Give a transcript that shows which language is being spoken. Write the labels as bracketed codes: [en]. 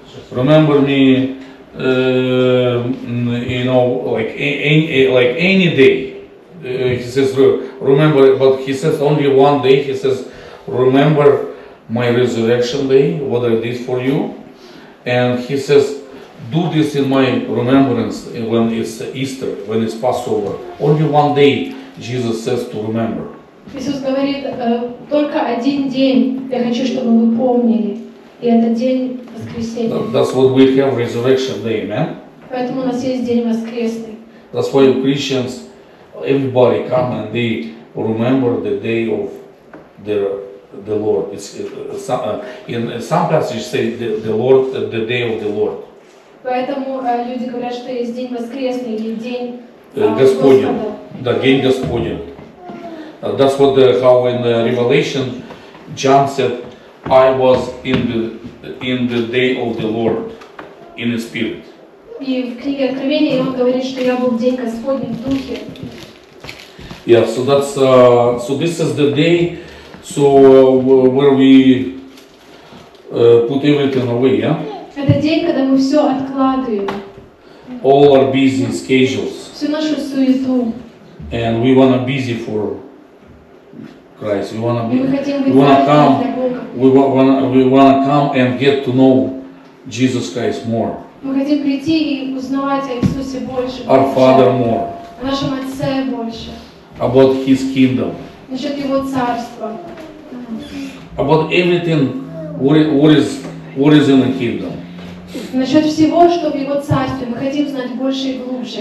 [en] Remember me. You know, like any day, he says, remember, but he says only one day, he says, remember my resurrection day, what I did for you, and he says, do this in my remembrance when it's Easter, when it's Passover, only one day Jesus says to remember. [ru] Иисус говорит, только один день, я хочу, чтобы вы помнили. И этот день воскресенье. [en] That's what we have resurrection day, man. [ru] Поэтому у нас есть день воскресный. [en] That's why Christians, everybody come and they remember the day of the Lord. In some passages say the day of the Lord. [ru] Поэтому люди говорят, что есть день воскресный или день Господень. Да, день Господень. [en] That's what how in Revelation John said. I was in the day of the Lord in the spirit. [ru] И в книге Откровения он говорит, что я был в день Господень в духе. [en] Yeah, so that's so this is the day so where we put everything away, yeah? [ru] Это день, когда мы все откладываем. [en] All our busy schedules. [ru] Всю нашу суету. [en] And we wanna busy for Christ. We wanna be, we wanna come and get to know Jesus Christ more. [ru] Мы хотим прийти и узнавать о Иисусе больше. [en] Our Father more. [ru] О нашем Отце больше. [en] about his kingdom. [ru] Насчет его царства. [en] About everything what is in the kingdom. [ru] Насчет всего, что в его царстве. Мы хотим знать больше и глубже.